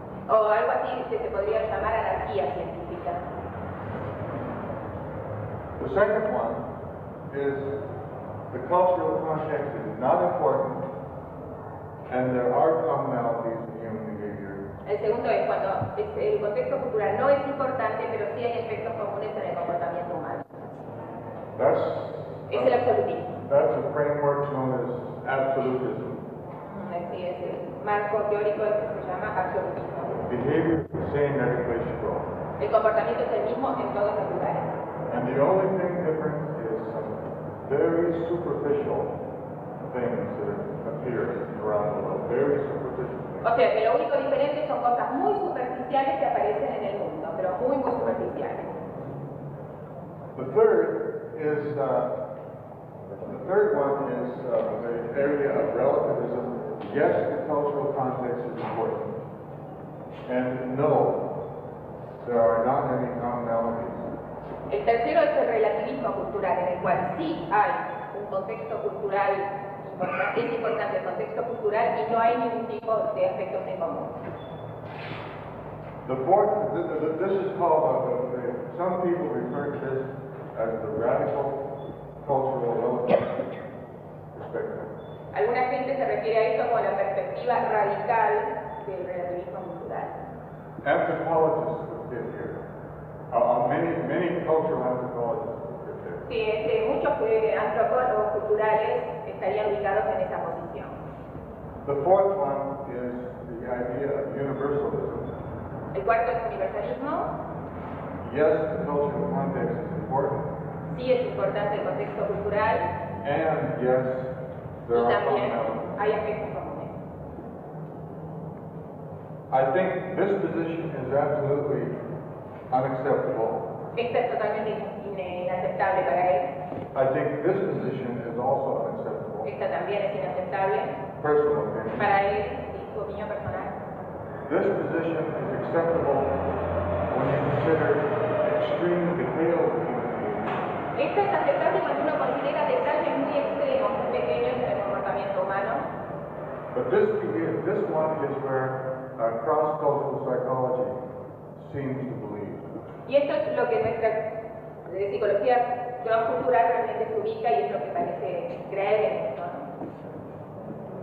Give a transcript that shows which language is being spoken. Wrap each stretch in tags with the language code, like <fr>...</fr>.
<es>O algo así que se podría llamar anarquía científica.</es> <en>The second one is the cultural context is not important and there are commonalities in human behavior.</en> <es>El segundo es cuando el contexto cultural no es importante, pero sí hay efectos comunes en el comportamiento humano.</es> <en>That's</en> <es>el absolutismo.</es> <en>That's a framework known as absolutism.</en> <es>Así es, el marco teórico se llama absolutismo.</es> <en>Behavior is the same every place you go.</en> <es>El comportamiento es el mismo en todos los lugares.</es> <en>And the only thing different is very superficial things that appear around the world. Very superficial.</en> <es>O sea, que lo único diferente son cosas muy superficiales que aparecen en el mundo, pero muy, muy superficiales.</es> <en>The third is, the third one is the area of relativism. Yes, the cultural context is important. And no, there are not any commonalities.</en> <es>El tercero es el relativismo cultural, en el cual sí hay un contexto cultural. Es importante el contexto cultural y no hay ningún tipo de efectos en común.</es> <en>The fourth, this is called, some people refer to this as the radical cultural relativism perspective.</en> <es>Alguna gente se refiere a esto como la perspectiva radical del relativismo cultural.</es> <en>Anthropologists have been here. Many cultural anthropologists have been here.</en> <es>Sí, muchos antropólogos culturales estarían ubicados en esa posición.</es> <en>The fourth one is the idea of universalism.</en> <es>El cuarto es universalismo.</es> <en>Yes, the cultural context is important.</en> <es>Sí, es importante el contexto cultural.</es> <en>And yes, there</en> <es>y</es> <en>are</en> <es>también hay aspectos comunes.</es> <en>I think this position is absolutely unacceptable.</en> <es>Esta es totalmente inaceptable para él.</es> <en>I think this position is also unacceptable.</en> <es>Esta también es inaceptable.</es> <en>Personal opinion.</en> <es>Para él, su opinión personal.</es> <en>This position is acceptable when you consider extreme detail of human behavior.</en> <es>Esta es aceptable cuando uno considera detalles muy extremos, pequeños en el comportamiento humano.</es> <en>But this one is where cross-cultural psychology seems to believe.</en> <es>Y esto es lo que nuestra psicología cultural realmente se ubica y es lo que parece creer en esto, ¿no?</es>